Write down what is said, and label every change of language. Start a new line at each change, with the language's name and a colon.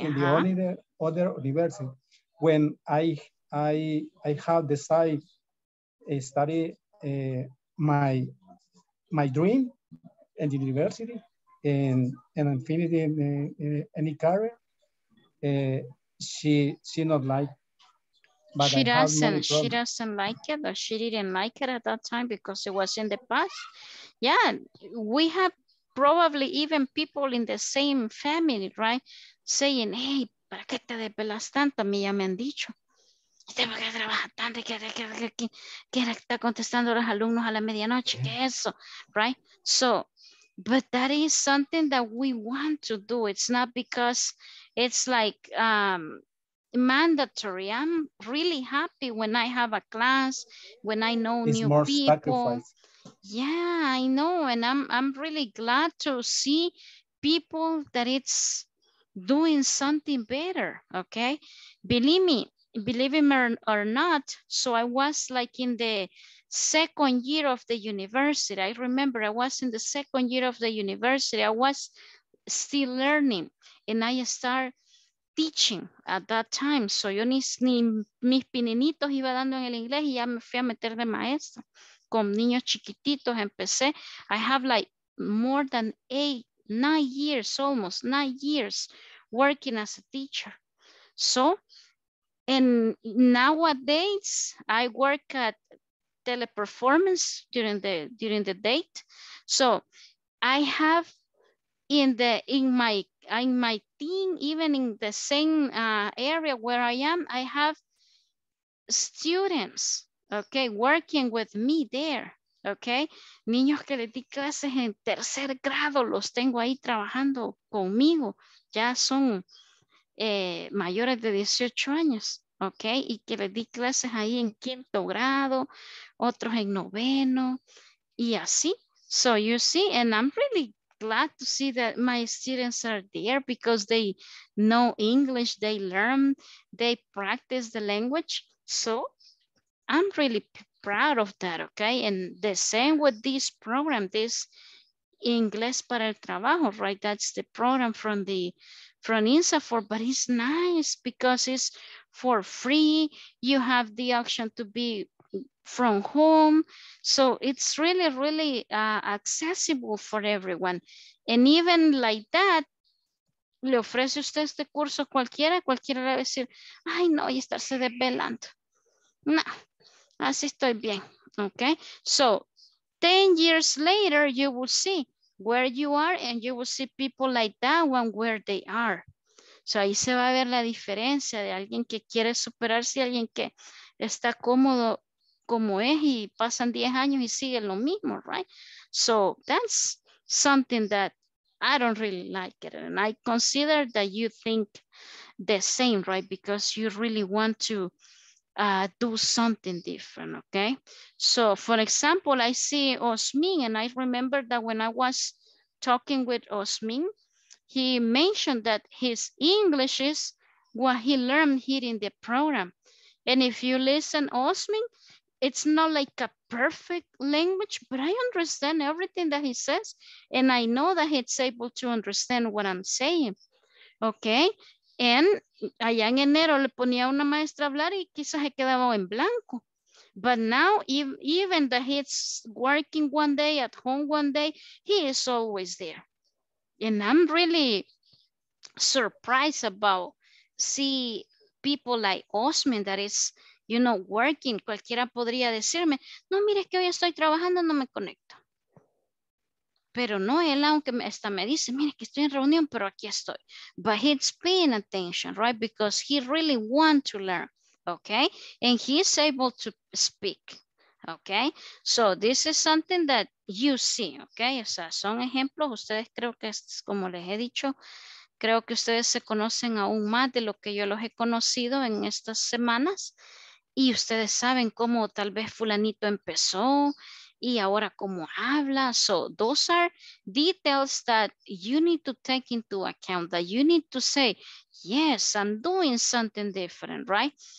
English: In the only other university, when I have decided to study my dream in the university and I'm finishing any career, she not like. But she doesn't like it, or she didn't like it at that time because it was in the past. Yeah, we have probably even people in the same family, right? Saying, hey,
Spanish: ¿para qué te desvelas tanto? A mí ya me han dicho. ¿Por qué trabajas tanto? ¿Qué está contestando a los alumnos a la medianoche? ¿Qué es eso? Right?
English: So, but that is something that we want to do. It's not because it's like... mandatory. I'm really happy when I have a class, when I know it's new more people. Sacrifice. Yeah, I know. And I'm really glad to see people that it's doing something better. Okay. Believe me or not. So I was like in the second year of the university. I remember I was in the second year of the university. I was still learning and I started teaching at that time.
Spanish: So yo ni mis pininitos iba dando en el inglés y ya me fui a meter de maestra. Con niños chiquititos empecé.
English: I have like more than 9 years, almost 9 years working as a teacher. So, and nowadays I work at teleperformance during the date. So I have in my team, even in the same area where I am, I have students, okay, working with me there, okay.
Spanish: Niños que les di clases en tercer grado, los tengo ahí trabajando conmigo. Ya son mayores de 18 años, ¿ok? Y que les di clases ahí en quinto grado, otros en noveno, y así.
English: So you see, and I'm really glad to see that my students are there because they know English, they learn, they practice the language. So I'm really proud of that, okay? And the same with this program, this Inglés para el Trabajo, right? That's the program from the from INSAFORP, but it's nice because it's for free. You have the option to be from home. So it's really, really accessible for everyone. And even like that,
Spanish: le ofrece usted este curso cualquiera, cualquiera le va a decir, ay no, y estarse desvelando. No, así estoy bien, okay?
English: So 10 years later, you will see where you are and you will see people like that one where they are.
Spanish: So ahí se va a ver la diferencia de alguien que quiere superarse y alguien que está cómodo como es y pasan 10 años y sigue lo mismo, right?
English: So that's something that I don't really like it. And I consider that you think the same, right? Because you really want to do something different, okay? So for example, I see Osmin and I remember that when I was talking with Osmin, he mentioned that his English is what he learned here in the program. And if you listen, Osmin, it's not like a perfect language, but I understand everything that he says. And I know that he's able to understand what I'm saying. Okay.
Spanish: And allá en enero le ponía una maestra a hablar y quizás se quedaba en blanco.
English: But now, even that he's working one day at home one day, he is always there. And I'm really surprised about see people like Osman that is, you know, working.
Spanish: Cualquiera podría decirme, no, mire, es que hoy estoy trabajando, no me conecto. Pero no, él aunque hasta me dice, mire, que estoy en reunión, pero aquí estoy.
English: But he's paying attention, right? Because he really wants to learn, okay? And he's able to speak, okay? So this is something that you see, okay?
Spanish: O sea, son ejemplos. Ustedes creo que, como les he dicho, creo que ustedes se conocen aún más de lo que yo los he conocido en estas semanas. Y ustedes saben cómo tal vez fulanito empezó y ahora cómo habla.
English: So those are details that you need to take into account, that you need to say, yes, I'm doing something different, right?